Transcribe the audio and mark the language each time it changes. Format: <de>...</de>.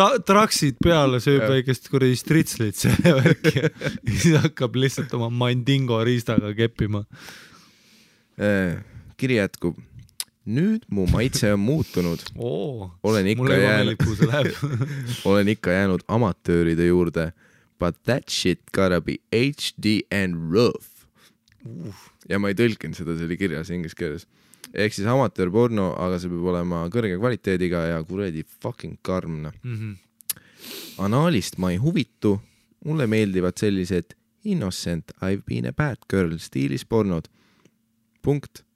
<et>Traksid peale sööb väikest kuri stritslid selle värki. Siis hakkab lihtsalt oma mandingo riistaga keppima. Kiri jätkub. Nüüd mu maitse on muutunud. Oo, olen ikka jäänud. Olen ikka jäänud amatööride juurde.</et> <en>But that shit gotta be HD and rough.</en> <et>Ja ma ei tõlkin seda selle kirjas inglise keeles. Eks siis amatöör porno, aga see peab olema kõrge kvaliteediga ja kuredi fucking karmne. Mm-hmm. Analist ma ei huvitu. Mulle meeldivad sellised</et> <en>innocent I've been a bad girl</en> <et>stiilis pornod. Punkt.</et>